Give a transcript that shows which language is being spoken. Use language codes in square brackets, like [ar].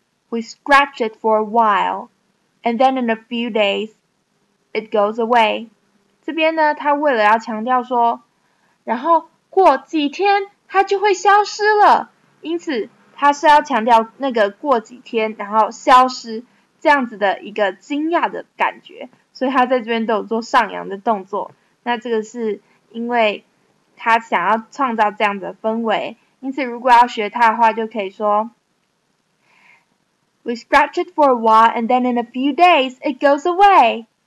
[en] We scratch it for a while, and then in a few days, it goes away. [zh] 这边呢，他为了要强调说，然后过几天它就会消失了。因此，他是要强调那个过几天，然后消失这样子的一个惊讶的感觉。所以他在这边都有做上扬的动作。那这个是因为他想要创造这样的氛围。因此，如果要学他的话，就可以说。 [en] We scratch it for a while, and then in a few days, it goes away.